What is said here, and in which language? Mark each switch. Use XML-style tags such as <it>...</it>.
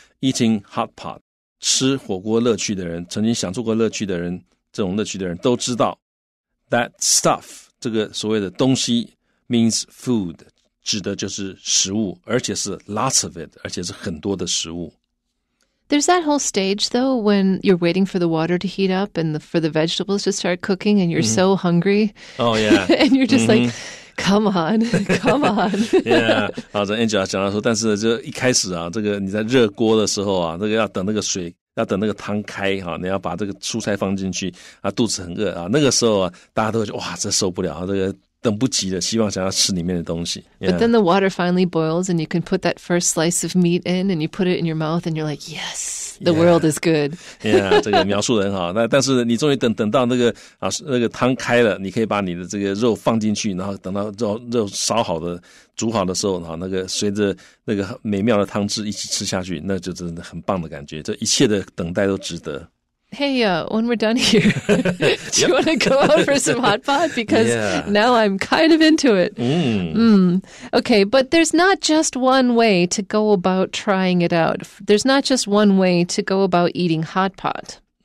<en>Eating hot pot,</en> <zh>吃火锅乐趣的人，曾经享受过乐趣的人，这种乐趣的人都知道</zh> <en>that stuff,</en> <zh>这个所谓的东西</zh> <en>means food,</en> <zh>指的就是食物，而且是</zh> <en>lots of it,</en> <zh>而且是很多的食物。</zh> <en>There's that whole stage, though, when you're waiting for the water to heat up and for the vegetables to start cooking and you're mm-hmm. so hungry. Oh, yeah. and you're just mm-hmm. like, come on, come on. yeah.</en> <zh>好，这 Angela 讲到说，但是就一开始啊，这个你在热锅的时候啊，那个要等那个水，要等那个汤开啊，你要把这个蔬菜放进去啊，肚子很饿啊，那个时候啊，大家都会觉得哇，这受不了啊，这个。等不及的希望想要吃里面的东西、</zh> <en>yeah. But then the water finally boils and you can put that first slice of meat in and you put it in your mouth and you're like, yes, the yeah. world is good.</en> <zh>yeah, 这个描述得很好。那但是你终于等到那个、啊、那个汤开了，你可以把你的这个肉放进去，然后等到肉烧好的煮好的时候、啊、那个随着那个美妙的汤汁一起吃下去，那就真的很棒的感觉，这一切的等待都值得。</zh> <en>Hey, when we're done here, do you want to go out for some hot pot? Because yeah. now I'm kind of into it. Okay, but there's not just one way to go about trying it out. There's not just one way to go about eating hot pot.</en>